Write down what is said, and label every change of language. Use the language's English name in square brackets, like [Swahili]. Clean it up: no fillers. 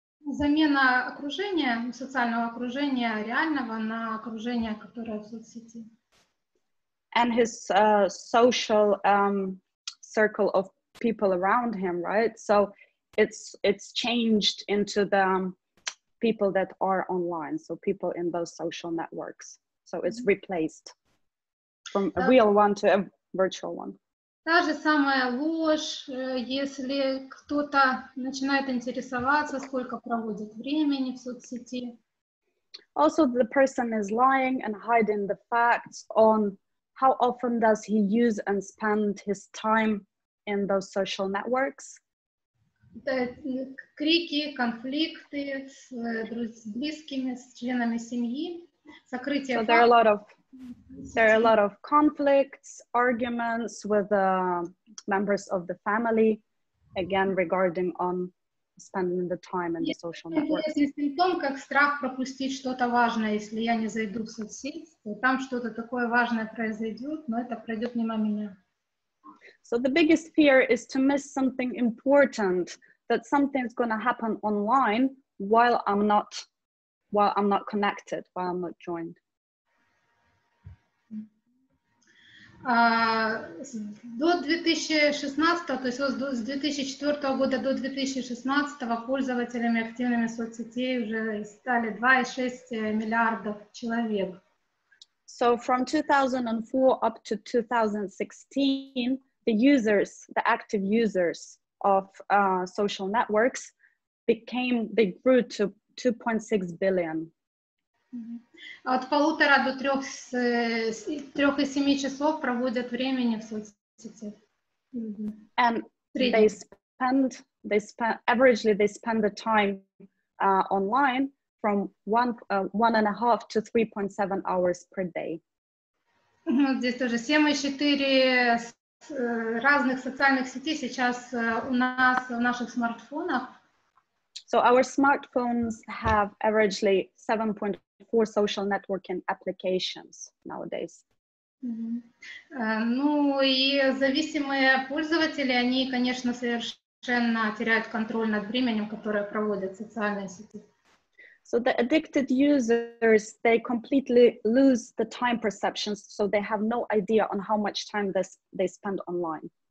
[Russian] Замена окружения, социального окружения реального на окружение, которое в соцсети. [English] And his social circle of people around him, right? So it's changed into the people that are online, so people in those social networks. So it's replaced from a real one to a virtual one. [Russian] Та же самая ложь, если кто-то начинает интересоваться, сколько проводит времени в соцсети. [English] Also, the person is lying and hiding the facts on how often does he use and spend his time in those social networks. [Russian] Крики, конфликты с близкими, с членами семьи, сокрытие. [English] So there are a lot of conflicts, arguments with members of the family, again regarding on spending the time in the social network. [Russian] Если симптом, как страх пропустить что-то важное, если я не зайду в соцсеть, то там что-то такое важное произойдет, но это пройдет мимо меня. [English] So the biggest fear is to miss something important. That something's going to happen online while I'm not connected, while I'm not joined. [Russian] До 2016, то есть с 2004 года до 2016 пользователями активными соцсетей уже стали 2.6 миллиардов человек. [English] So from 2004 up to 2016, the users, the active users of social networks grew to 2.6 billion. [Russian] От полутора до трех и семи часов проводят времени в соцсети. [English] And they spend the time online from one and a half to 3.7 hours per day. [Russian] Здесь тоже 7.4 разных социальных сетей сейчас у нас в наших смартфонах. [English] So our smartphones have averagely 7.4 social networking applications nowadays. [Russian] Ну и зависимые пользователи, они, конечно, совершенно теряют контроль над временем, которое проводят социальные сети. [English] So the addicted users, they completely lose the time perceptions, so they have no idea on how much time they spend online.